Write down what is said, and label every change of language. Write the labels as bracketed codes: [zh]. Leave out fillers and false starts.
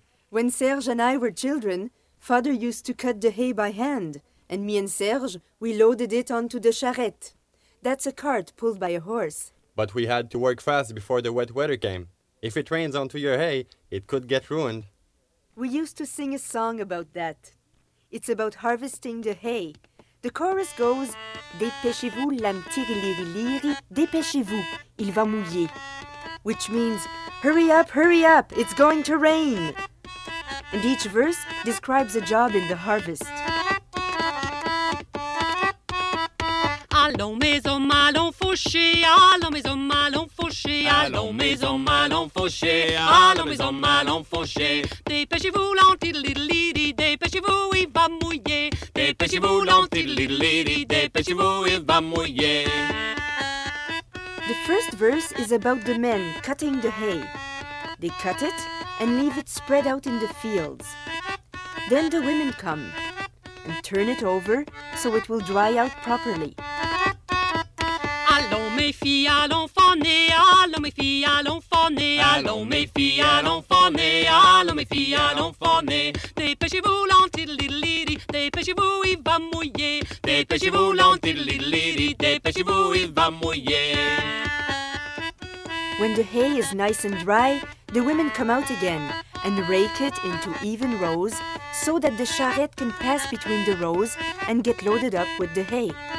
[en] When Serge and I were children, Father used to cut the hay by hand, and me and Serge, we loaded it onto the charrette. That's a cart pulled by a horse. But we had to work fast before the wet weather came. If it rains onto your hay, it could get ruined. We used to sing a song about that. It's about harvesting the hay. The chorus goes, [fr] Dépêchez-vous, l'âme tirili-liri, dépêchez-vous, il va mouiller. [en] Which means, hurry up, it's going to rain. And each verse describes a job in the harvest. [fr] Allons, mes hommes, allons faucher, allons, mes hommes, allons faucher, allons, mes hommes, allons faucher, allons, mes hommes, allons faucher. Dépêchez-vous, l'âme tirili-liri, dépêchez-vous, il va mouiller. Dépêchez-vous, l'antilililiri, dépêchez-vous, il va mouiller. [en] The first verse is about the men cutting the hay. They cut it and leave it spread out in the fields. Then the women come and turn it over so it will dry out properly. [fr] Allons, mes filles, allons faner, allons, mes filles, allons faner, allons, mes filles, allons faner, allons, mes filles, allons faner. Dépêchez-vous, l'antilililiri, dépêchez-vous, il va mouiller. Dépêchez-vous, l'antilililiri, dépêchez-vous, il va mouiller. [en] When the hay is nice and dry, the women come out again and rake it into even rows so that the charrette can pass between the rows and get loaded up with the hay.